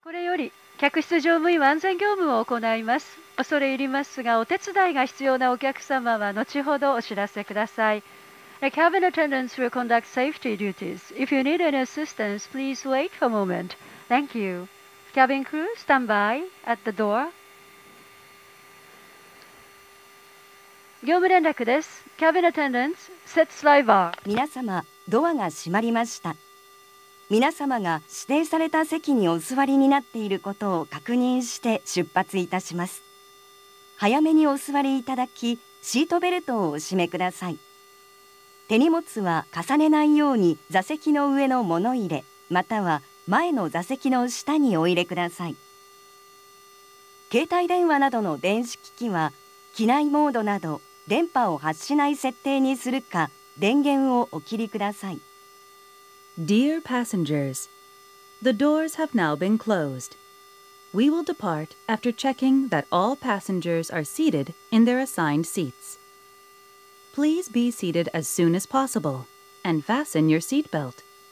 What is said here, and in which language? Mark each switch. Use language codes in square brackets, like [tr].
[ja] これより客室乗務員安全業務を行います。恐れ入りますが、お手伝いが必要なお客様は後ほどお知らせください。 [en] Cabin attendants will conduct safety duties. If you need any assistance, please wait for a moment. Thank you. Cabin crew, stand by at the door. [ja] 業務連絡です。 [en] Cabin attendants, set sliver. [ja] 皆様、ドアが閉まりました。皆様が指定された席にお座りになっていることを確認して出発いたします。早めにお座りいただき、シートベルトをお締めください。手荷物は重ねないように座席の上の物入れ、または前の座席の下にお入れください。携帯電話などの電子機器は、機内モードなど電波を発しない設定にするか、電源をお切りください。 [en] Dear passengers, the doors have now been closed. We will depart after checking that all passengers are seated in their assigned seats. Please be seated as soon as possible and fasten your seatbelt.